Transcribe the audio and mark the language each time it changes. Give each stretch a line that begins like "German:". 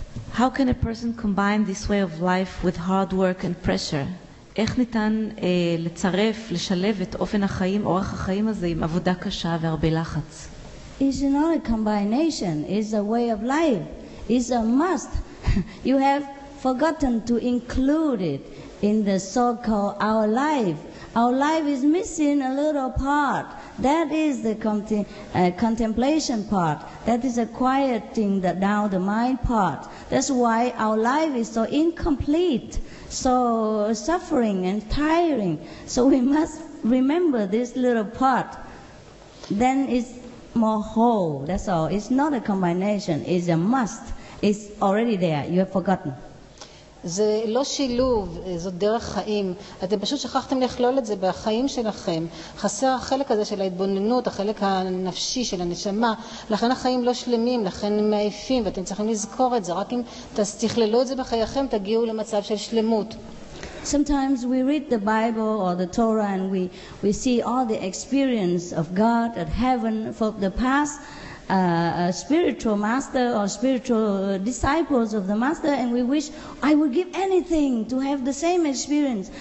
English: How can a person combine this way of life with hard work and pressure?
Hebrew: איך ניתן לצרף, לשלב את אופן החיים, אורח החיים הזה עם עבודה קשה והרבה לחץ?
English: It's not a combination. It's a way of life. It's a must. You have forgotten to include it in the so-called our life. Our life is missing a little part. That is the contemplation part. That is a quieting the down the mind part. That's why our life is so incomplete, so suffering and tiring. So we must remember this little part. Then it's more whole. That's all. It's not a combination. It's a must. It's already there. You have forgotten.
Hebrew: זה לא שילוב, זאת דרך חיים. אתם פשוט שכחתם לכלול את זה בחיים שלכם. חסר החלק הזה של ההתבוננות, החלק הנפשי של הנשמה. לכן החיים לא שלמים, לכן הם מעייפים, ואתם צריכים לזכור את זה. רק אם תכללו את זה בחייכם, תגיעו למצב של שלמות.
English: Sometimes we read the Bible or the Torah and we see all the experience of God at heaven for the past a spiritual master or spiritual disciples of the master, and we wish, I would give anything to have the same experience.